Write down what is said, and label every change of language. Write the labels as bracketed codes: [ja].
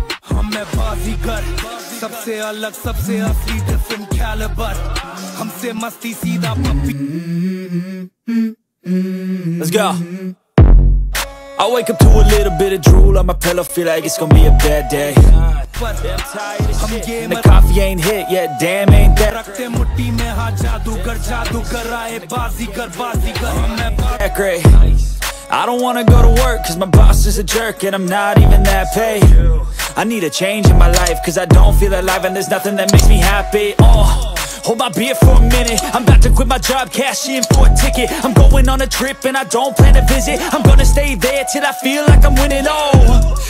[hi] हम है बाजीगर, सबसे अलग सबसे असली [en] different calibre, [hi] हमसे मस्ती सीधा पप्पी। [en] Let's go. I wake up to a little bit of drool on my pillow, feel like it's gonna be a bad day. And the coffee ain't hit yet, damn ain't that. [hi] रखते मुट्ठी में हाँ जादूगर, जादूगर आए बाजीगर, बाजीगर हम है [en] great. I don't wanna go to work cause my boss is a jerk and I'm not even that paid. I need a change in my life cause I don't feel alive and there's nothing that makes me happy. Hold my beer for a minute, I'm about to quit my job, cash in for a ticket. I'm going on a trip and I don't plan to visit. I'm gonna stay there till I feel like I'm winning all.